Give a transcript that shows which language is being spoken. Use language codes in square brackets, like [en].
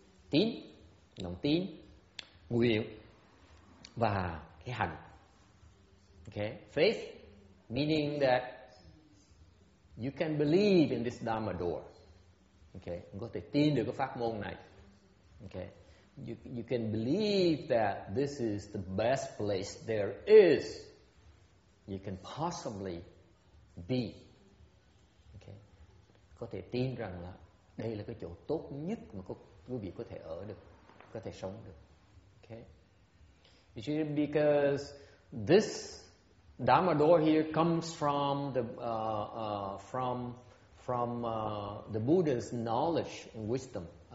[vi] Tín, lòng tín, nguyện và cái hành. [en] Okay, faith meaning that you can believe in this Dharma door. [vi] Okay, mình có thể tin được cái pháp môn này. [en] Okay, you can believe that this is the best place there is you can possibly be. [vi] Okay, có thể tin rằng là đây là cái chỗ tốt nhất mà quý vị có thể ở được, có thể sống được. [en] Okay. Because this Dharma door here comes from the Buddha's knowledge and wisdom.